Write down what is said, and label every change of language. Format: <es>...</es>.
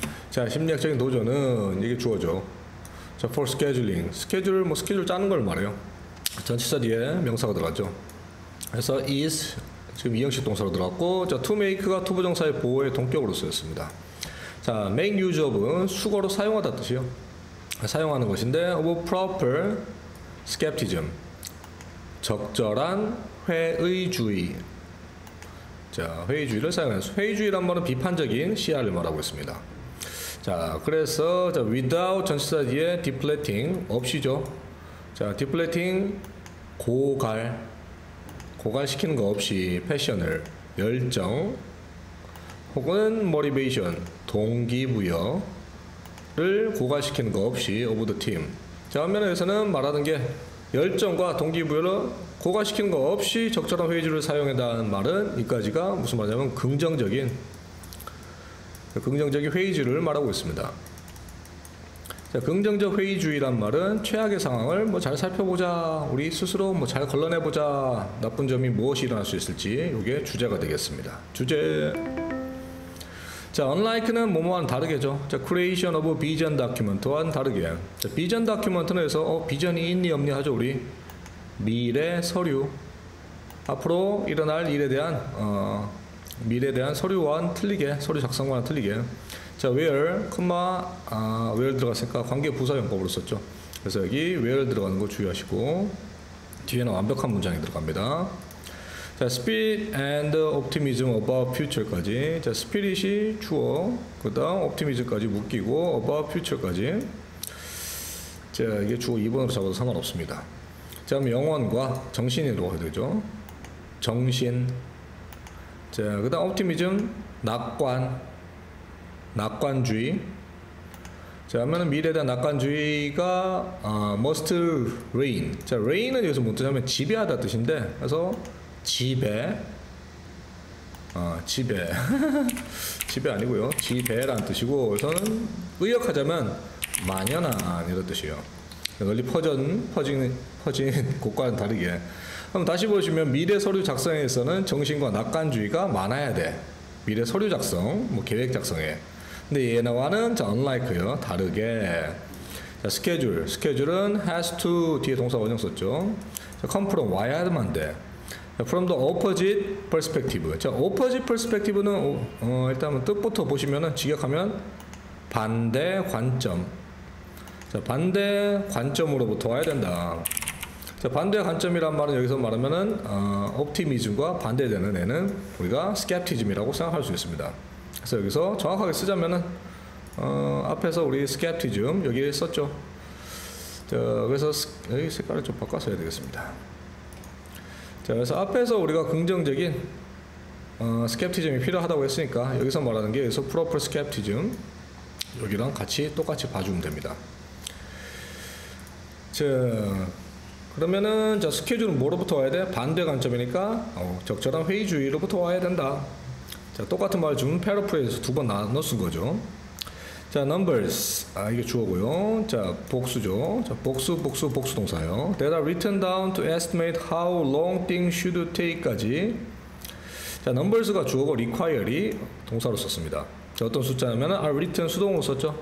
<ko>자, 심리학적인 도전은 이게 주어죠.</ko> <en>자, for scheduling.</en> <ko>스케줄, 뭐 스케줄 짜는 걸 말해요. 전치사 뒤에 명사가 들어갔죠. 그래서 is 지금 2형식 동사로 들어갔고, 자, to make가 to 부정사의 보호의 동격으로 쓰였습니다. 자,</ko> <en>make use of</en> <ko>은 수거로 사용하다 뜻이요. 사용하는 것인데,</ko> <en>of proper skepticism.</en> <ko>적절한 회의주의. 자, 회의주의를 사용해서 회의주의란 말은 비판적인 시야를 말하고 있습니다. 자, 그래서 자, without 전치사 뒤에 deflating 없이죠. 자, deflating 고갈. 고갈시키는 거 없이 패션을 열정 혹은 motivation 동기부여를 고갈시키는 거 없이</ko> <en>of the team.</en> <ko>자, 한면에서는 말하는 게 열정과 동기부여를 고갈시키는 거 없이 적절한 회의주를 사용한다는 말은 이까지가 무슨 말이냐면 긍정적인 회의주의를 말하고 있습니다. 자, 긍정적 회의주의란 말은 최악의 상황을 뭐 잘 살펴보자, 우리 스스로 뭐 잘 걸러내보자, 나쁜 점이 무엇이 일어날 수 있을지 이게 주제가 되겠습니다. 주제. 자, unlike는 뭐뭐와는 다르게죠.</ko> <en>자, creation of vision document와는</en> <ko>다르게. 자, vision document는 해서 비전이 있니 없니 하죠. 우리 미래 서류, 앞으로 일어날 일에 대한 미래에 대한 서류와는 틀리게, 서류 작성과는 틀리게. 자, where, 콤마, where 들어갔으니까 관계 부사용법으로 썼죠. 그래서 여기 where 들어가는 거 주의하시고, 뒤에는 완벽한 문장이 들어갑니다.</ko> <en>자, speed and optimism about future까지.</en> <ko>자, spirit이 주어, 그 다음 optimism까지 묶이고,</ko> <en>about future</en> <ko>까지. 자, 이게 주어 2번으로 잡아도 상관없습니다. 자, 영혼과 정신이 들어가야 되죠. 정신. 자, 그 다음 optimism, 낙관. 낙관주의. 자, 그러면 미래에 대한 낙관주의가</ko> <en>must reign.</en> <ko>자, reign은 여기서 뭔 뜻이냐면 지배하다 뜻인데, 그래서 지배. 지배. 지배 아니고요. 지배라는 뜻이고, 우선 의역하자면 만연한 이런 뜻이에요. 널리 퍼진 곳과는 다르게. 그럼 다시 보시면 미래 서류 작성에서는 정신과 낙관주의가 많아야 돼. 미래 서류 작성, 뭐 계획 작성에. 근데 얘네와는 unlike요. 다르게. 자, schedule. schedule은 has to 뒤에 동사 원형 썼죠. 자,</ko> <en>come from,</en> <ko>와야만 돼.</ko> <en>자, from the opposite perspective.</en> <ko>자, opposite perspective는 일단은 뜻부터 보시면은 직역하면 반대 관점. 자, 반대 관점으로부터 와야 된다. 자, 반대 관점이란 말은 여기서 말하면은 optimism과 반대되는 애는 우리가 skepticism이라고 생각할 수 있습니다. 그래서 여기서 정확하게 쓰자면은 앞에서 우리 skepticism 여기에 썼죠. 자, 그래서 여기 색깔을 좀 바꿔서 해야 되겠습니다. 자, 그래서 앞에서 우리가 긍정적인 skepticism이 필요하다고 했으니까 여기서 말하는 게 여기서 proper skepticism 여기랑 같이 똑같이 봐주면 됩니다. 자, 그러면은 자, 스케줄은 뭐로부터 와야 돼? 반대 관점이니까 적절한 회의주의로부터 와야 된다. 자, 똑같은 말 좀 패러프레이즈 두 번 나눠 쓴 거죠. 자, numbers. 아, 이게 주어고요. 자, 복수죠. 자, 복수 동사요.</ko> <en>That are written down to estimate how long things should take까지.</en> <ko>자, numbers가 주어고 require이 동사로 썼습니다. 자, 어떤 숫자냐면 are written 수동으로 썼죠.</ko>